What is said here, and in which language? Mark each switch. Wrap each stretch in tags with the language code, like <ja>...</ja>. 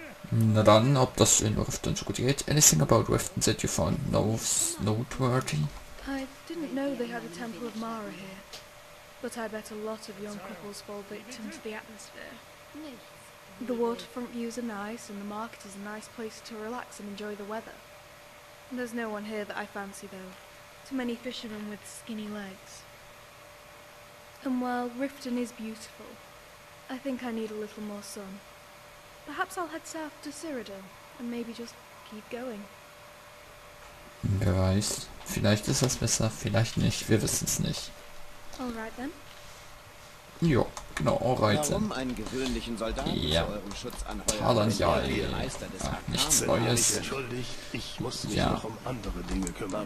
<de>Na dann, ob das in Riften so gut geht.</de> <en>Anything about Riften that you found noteworthy? I didn't know they had a Temple of Mara here. But I bet a lot of young couples fall victim to the atmosphere. The waterfront views are nice, and the market is a nice place to relax and enjoy the weather. There's no one here that I fancy though. Too many fishermen with skinny legs. And while Riften is beautiful, I think I need a little more sun. Perhaps I'll head south to Cyrodiil and maybe just keep going.</en> <de>Wer weiß. Vielleicht ist das besser, vielleicht nicht. Wir wissen es nicht.</de> <en>Alright then.</en> <de>Jo, genau,</de> <en>alright then.</en> <de>Warum</de> <en>then.</en> <de>Einen gewöhnlichen Soldaten ja. Zu eurem Schutz anheuern? Ja, nichts Neues. Ich muss mich ja. Noch um andere Dinge kümmern.</de>